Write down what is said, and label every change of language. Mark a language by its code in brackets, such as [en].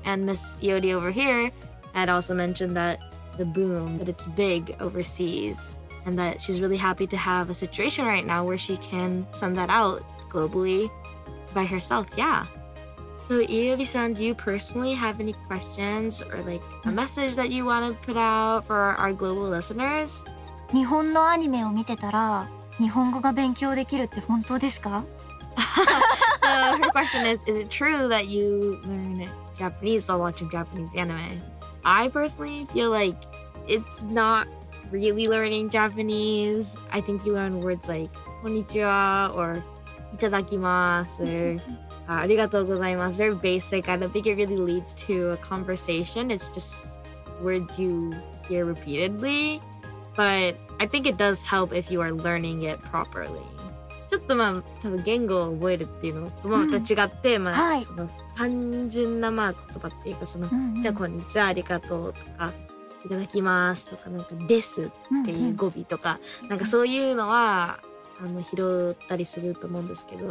[en] And Miss Iori over here had also mentioned that the boom, that it's big overseas. And that she's really happy to have a situation right now where she can send that out globally by herself. Yeah. So Iori-san, do you personally have any questions or like a message that you want to put out for our global listeners? [ja] 日本のアニメを見てたら日本語が勉強できるって本当ですか? [en] So her question is it true that you learn Japanese while watching Japanese anime? I personally feel like it's not really learning Japanese. I think you learn words like konnichiwa or itadakimasu or arigatou gozaimasu. Very basic. I don't think it really leads to a conversation. It's just words you hear repeatedly. But I think it does help if you are learning it properly. [ja] ちょっとまあ多分言語を覚えるっていうのとまた違って、うん、まあ、はい、その単純なまあ言葉っていうかその、うんうん、じゃあこんにちはありがとうとかいただきますとかなんかですっていう語尾とか、うんうん、なんかそういうのはあの拾ったりすると思うんですけど、